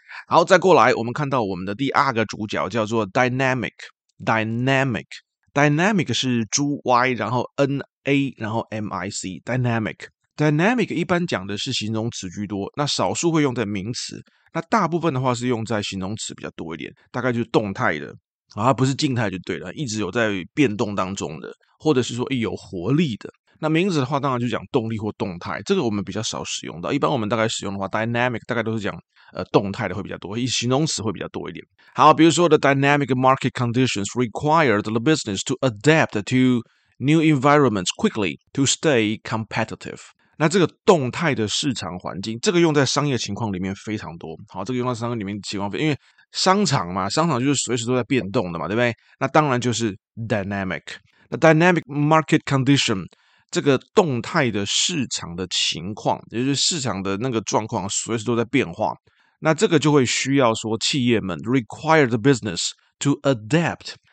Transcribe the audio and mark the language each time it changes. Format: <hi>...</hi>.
<zh>好，再过来我们看到我们的第二个主角叫做 Dynamic 是猪 Y， 然后 NA， 然后 MIC， Dynamic 一般讲的是形容词居多，那少数会用在名词，那大部分的话是用在形容词比较多一点，大概就是动态的，它不是静态就对了，一直有在变动当中的，或者是说有活力的。那名词的话当然就讲动力或动态，这个我们比较少使用到，一般我们大概使用的话 dynamic 大概都是讲动态的会比较多，以形容词会比较多一点。好，比如说</zh> <en>the dynamic market conditions required the business to adapt to new environments quickly to stay competitive。</en> <zh>那这个动态的市场环境，这个用在商业情况里面非常多，好，这个用在商业里面情况，因为商场嘛，商场就是随时都在变动的嘛，对不对？那当然就是 dynamic。那 dynamic market condition，这个动态的市场的情况，也就是市场的那个状况随时都在变化，那这个就会需要说企业们</zh> <en>require the business to adapt。</en>